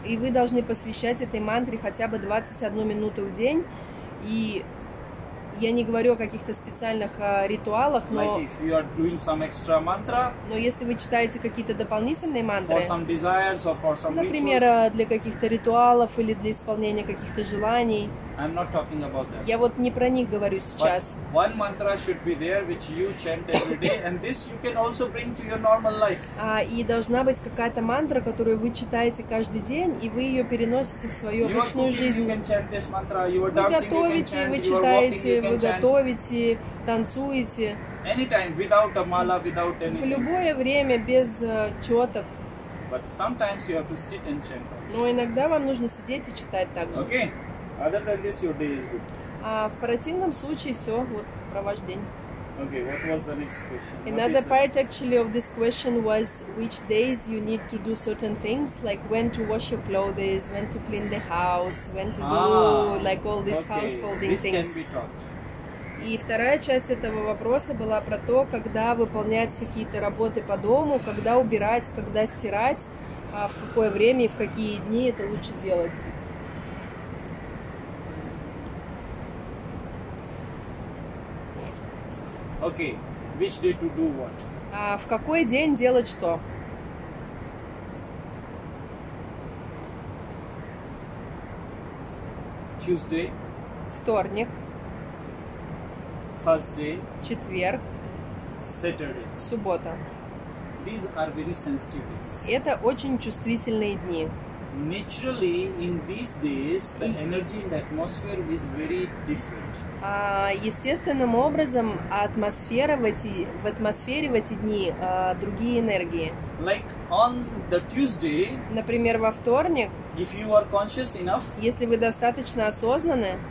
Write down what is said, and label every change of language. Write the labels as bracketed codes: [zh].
[ru] И вы должны посвящать этой мантре хотя бы 21 минуту в день. И я не говорю о каких-то специальных ритуалах, но [en] like if you are doing some extra mantra, [ru] но если вы читаете какие-то дополнительные мантры, [en] for some desires or for some [ru] например, [en] rituals, [ru] для каких-то ритуалов или для исполнения каких-то желаний, [en] I'm not talking about that. [ru] Я вот не про них говорю сейчас. [en] But one mantra should be there, which you chant every day, and this you can also bring to your normal life. [ru] И должна быть какая-то мантра, которую вы читаете каждый день, и вы ее переносите в свою обычную жизнь. [en] You are cooking, you can chant this mantra. You are dancing, [ru] вы готовите, [en] you can [ru] вы читаете, вы готовите, танцуете. [en] Anytime, without a mala, without anything. [ru] В любое время, без четок. [en] But sometimes you have to sit and chant. [ru] Но иногда вам нужно сидеть и читать также. [en] Okay. Other than this, your day is good. [ru] В противном случае все, вот про ваш день. [en] Okay, what was the next question? Another part actually of this question was which days you need to do certain things, like when to wash your clothes, when to clean the house, when to do like all these householding things. Okay, this can be taught. [ru] И вторая часть этого вопроса была про то, когда выполнять какие-то работы по дому, когда убирать, когда стирать, в какое время и в какие дни это лучше делать. [en] Okay, which day to do what? [ru] В какой день делать что? [en] Tuesday. [ru] Вторник. [en] Thursday. [ru] Четверг. [en] Saturday. [ru] Суббота. [en] These are very sensitive days. [ru] Это очень чувствительные дни. [en] Naturally, in these days, the energy in the atmosphere is very different. [ru] Естественным образом атмосфера в эти дни другие энергии. [en] Like on the Tuesday, [ru] например, во вторник, [en] if you are conscious enough, [ru] если вы достаточно осознаны,